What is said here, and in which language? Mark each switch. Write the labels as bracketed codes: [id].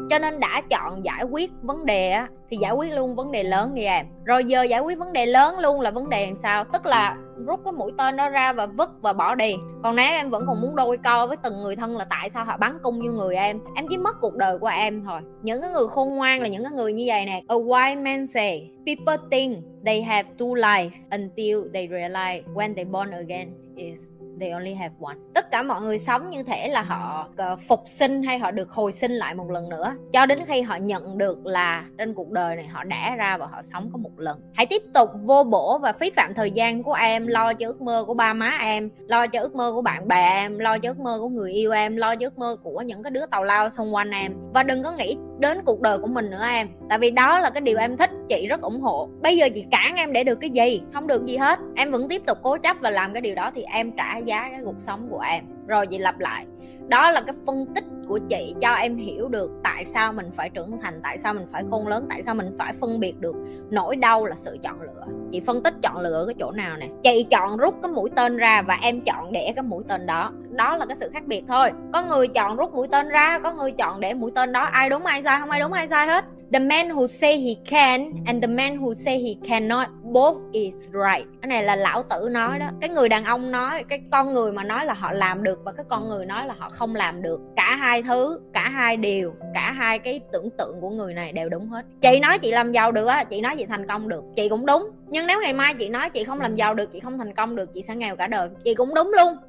[vi] Cho nên đã chọn giải quyết vấn đề á thì giải quyết luôn vấn đề lớn đi em. Rồi giờ giải quyết vấn đề lớn luôn là vấn đề làm sao, tức là rút cái mũi tên đó ra và vứt và bỏ đi. Còn nếu em vẫn còn muốn đôi co với từng người thân là tại sao họ bắn cung vô người em, em chỉ mất cuộc đời của em thôi. Những cái người khôn ngoan là những cái người như vậy nè. [en] A wise man say, people think they have two lives until they realize when they born again is they only have one. [vi] Tất cả mọi người sống như thể là họ phục sinh hay họ được hồi sinh lại một lần nữa, cho đến khi họ nhận được là trên cuộc đời này họ đẻ ra và họ sống có một lần. Hãy tiếp tục vô bổ và phí phạm thời gian của em lo cho ước mơ của ba má em, lo cho ước mơ của bạn bè em, lo cho ước mơ của người yêu em, lo cho ước mơ của những cái đứa tào lao xung quanh em. Và đừng có nghĩ đến cuộc đời của mình nữa em, tại vì đó là cái điều em thích, chị rất ủng hộ. Bây giờ chị cản em để được cái gì? Không được gì hết. Em vẫn tiếp tục cố chấp và làm cái điều đó thì em trả giá cái cuộc sống của em. Rồi chị lặp lại, đó là cái phân tích của chị cho em hiểu được tại sao mình phải trưởng thành, tại sao mình phải khôn lớn, tại sao mình phải phân biệt được nỗi đau là sự chọn lựa. Chị phân tích chọn lựa cái chỗ nào nè. Chị chọn rút cái mũi tên ra và em chọn để cái mũi tên đó. Đó là cái sự khác biệt thôi. Có người chọn rút mũi tên ra, có người chọn để mũi tên đó. Ai đúng ai sai, không ai đúng ai sai hết. [en] The man who say he can and the man who say he cannot, both is right. [vi] Cái này là Lão Tử nói đó. Cái người đàn ông nói, cái con người mà nói là họ làm được và cái con người nói là họ không làm được, cả hai thứ, cả hai điều, cả hai cái tưởng tượng của người này đều đúng hết. Chị nói chị làm giàu được á, chị nói chị thành công được, chị cũng đúng. Nhưng nếu ngày mai chị nói chị không làm giàu được, chị không thành công được, chị sẽ nghèo cả đời, chị cũng đúng luôn.